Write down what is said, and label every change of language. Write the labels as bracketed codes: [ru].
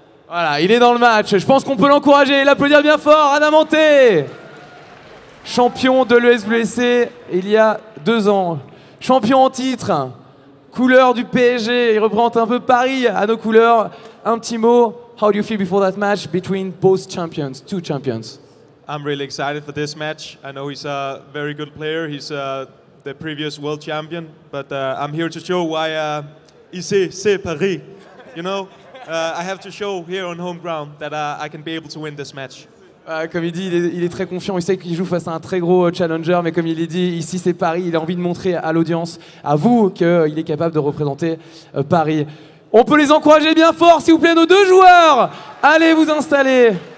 [fr] Voilà, il est dans le match. Je pense qu'on peut l'encourager et l'applaudir bien fort. Adamanté, champion de l'ESWC il y a 2 ans. Champion en titre, couleur du PSG. Il représente un peu Paris à nos couleurs. Un petit mot. [en] How do you feel before that match between both champions, two champions? I'm really excited for this match. I know he's a very good player. He's the previous world champion. But I'm here to show why [fr] ici, c'est Paris, [en] you know? I have to show here on home ground that I can be able to win this match. [fr] Comme il dit, il est très confiant. Il sait qu'il joue face à un très gros challenger, mais comme il dit, ici c'est Paris. Il a envie de montrer à l'audience, à vous, qu'il est capable de représenter Paris. On peut les encourager bien fort, s'il vous plaît, nos deux joueurs. Allez vous installer.